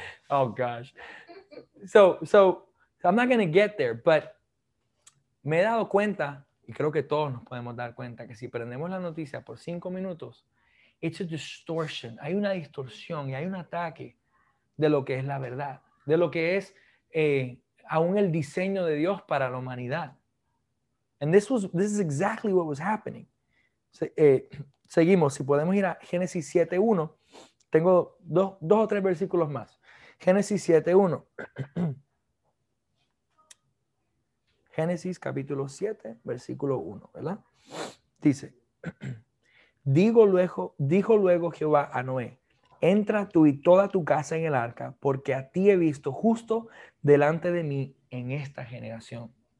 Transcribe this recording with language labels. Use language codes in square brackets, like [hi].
[en] Oh, gosh. So, I'm not going to get there, but [es] me he dado cuenta, y creo que todos nos podemos dar cuenta, que si prendemos la noticia por 5 minutos, [en] it's a distortion. [es] Hay una distorsión y hay un ataque de lo que es la verdad, de lo que es aún el diseño de Dios para la humanidad. [en] And this is exactly what was happening. [es] Seguimos, si podemos ir a Génesis 7:1, tengo dos o tres versículos más. Génesis 7:1. Génesis capítulo 7, versículo 1, ¿verdad? Dice, dijo luego Jehová a Noé, entra tú y toda tu casa en el arca, porque a ti he visto justo delante de mí en esta generación.